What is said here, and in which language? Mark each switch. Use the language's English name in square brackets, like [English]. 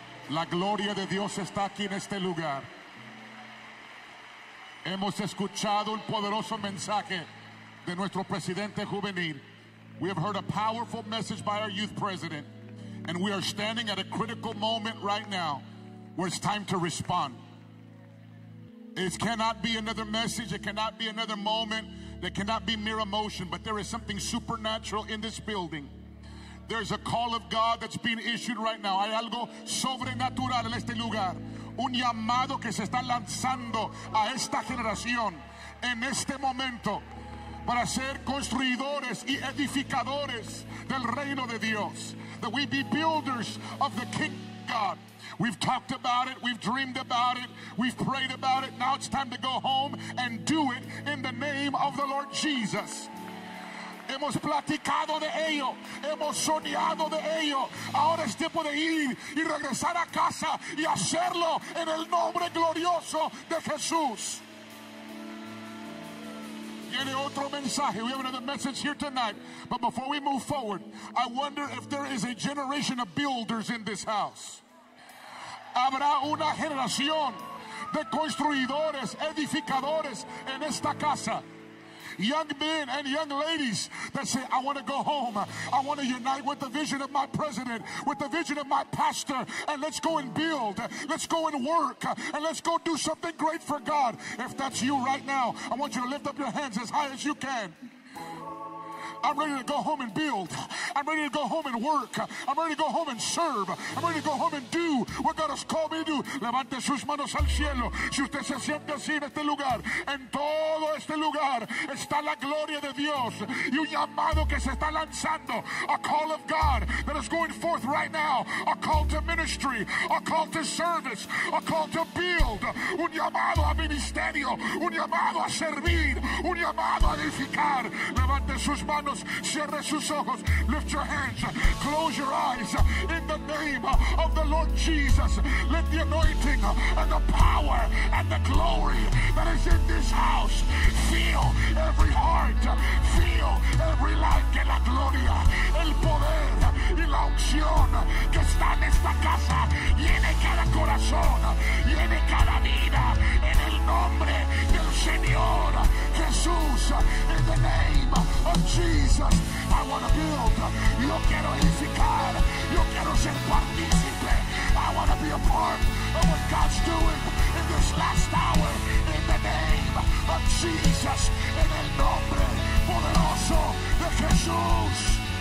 [Spanish] La gloria de Dios está aquí en este lugar. Hemos escuchado un poderoso mensaje de nuestro presidente juvenil. [English] We have heard a powerful message by our youth president, and we are standing at a critical moment right now where it's time to respond. It cannot be another message. It cannot be another moment. There cannot be mere emotion, but there is something supernatural in this building. There's a call of God that's being issued right now. [Spanish] Hay algo sobrenatural en este lugar. Un llamado que se está lanzando a esta generación en este momento para ser construidores y edificadores del reino de Dios. [English] That we be builders of the King God. We've talked about it, we've dreamed about it, we've prayed about it. Now it's time to go home and do it in the name of the Lord Jesus. [Spanish] Hemos platicado de ello, hemos soñado de ello. Ahora es tiempo de ir y regresar a casa y hacerlo en el nombre glorioso de Jesús. Viene otro mensaje. [English] We have another message here tonight. But before we move forward, I wonder if there is a generation of builders in this house. [Spanish] Habrá una generación de construidores, edificadores en esta casa. [English] Young men and young ladies that say, I want to go home. I want to unite with the vision of my president, with the vision of my pastor, and let's go and build. Let's go and work, and let's go do something great for God. If that's you right now, I want you to lift up your hands as high as you can. I'm ready to go home and build. I'm ready to go home and work. I'm ready to go home and serve. I'm ready to go home and do what God has called me to do. [Spanish] Levante sus manos al cielo. Si usted se siente así en este lugar, en todo este lugar está la gloria de Dios y un llamado que se está lanzando. [English] A call of God that is going forth right now. A call to ministry. A call to service. A call to build. [Spanish] Un llamado a ministerio. Un llamado a servir. Un llamado a edificar. Levante sus manos. Cierre sus ojos. [English] Lift your hands. Close your eyes. In the name of the Lord Jesus, let the anointing and the power and the glory that is in this house fill every heart, fill every life. [Spanish] Que la gloria, el poder y la unción que está en esta casa llene cada corazón, llene cada vida. En el nombre del Señor Jesús. [English] In the name of Jesus, I want to build. [Spanish] Yo quiero edificar. Yo quiero ser partícipe. [English] I want to be a part of what God's doing in this last hour. In the name of Jesus, [Spanish] en el nombre poderoso de Jesús.